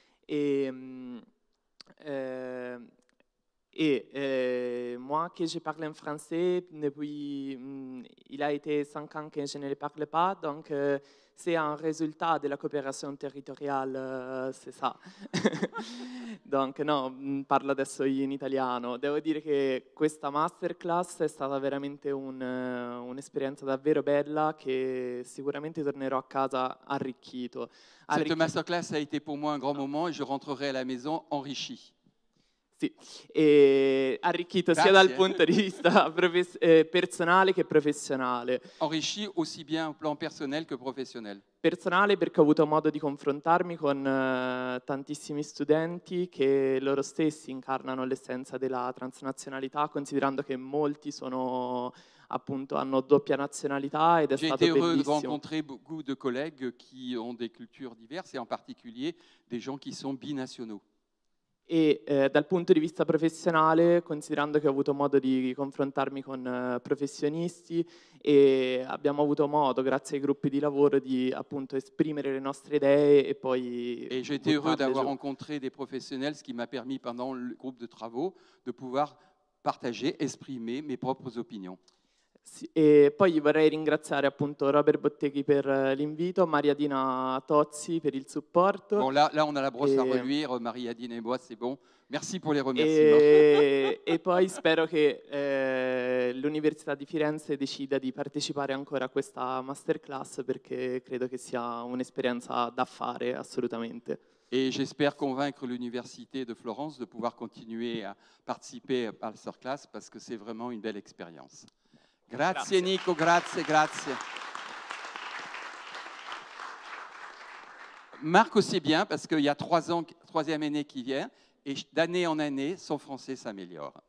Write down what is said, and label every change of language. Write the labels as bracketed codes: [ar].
[fr] Moi, que je parle en français depuis, il a été 5 ans que je ne le parle pas, donc c'est un résultat de la coopération territoriale, c'est ça. [it] Donc non, parlo adesso in italiano. Devo dire che questa masterclass è stata veramente un'esperienza davvero bella che sicuramente tornerò a casa arricchito. [fr] Cette masterclass a été pour moi un grand moment et je rentrerai à la maison enrichi. [it] Sì, e arricchito. Grazie. Sia dal punto di vista personale che professionale. [fr] Enrichi aussi bien au plan personnel que professionnel. [it] Personale perché ho avuto modo di confrontarmi con tantissimi studenti che loro stessi incarnano l'essenza della transnazionalità, considerando che molti sono appunto hanno doppia nazionalità ed è stato bellissimo. [fr] J'ai été heureux de rencontrer beaucoup de collègues qui ont des cultures diverses et en particulier des gens qui sont binationaux. [it] E dal punto di vista professionale, considerando che ho avuto modo di confrontarmi con professionisti e abbiamo avuto modo, grazie ai gruppi di lavoro, di appunto esprimere le nostre idee e poi... [fr] E j'ai été heureux d'avoir rencontré des professionnels, ce qui m'a permis pendant le groupe de travaux de pouvoir partager, esprimer mes propres opinions. [it] Sì, e poi vorrei ringraziare appunto Robert Botteghi per l'invito, Mariadina Tozzi per il supporto. [fr] Bon, là on a la brosse à reluire, Mariadina e moi, c'est bon. Merci pour les remerciements. [it] E poi spero che l'Università di Firenze decida di partecipare ancora a questa masterclass, perché credo che sia un'esperienza da fare assolutamente. [fr] Et j'espère convaincre l'Université de Florence de pouvoir continuer à participer à la masterclass, parce que c'est vraiment une belle expérience. [it] Grazie Nico, grazie, grazie. [fr] Marc aussi bien, parce qu'il y a 3 ans, troisième année qui vient, et d'année en année, son français s'améliore.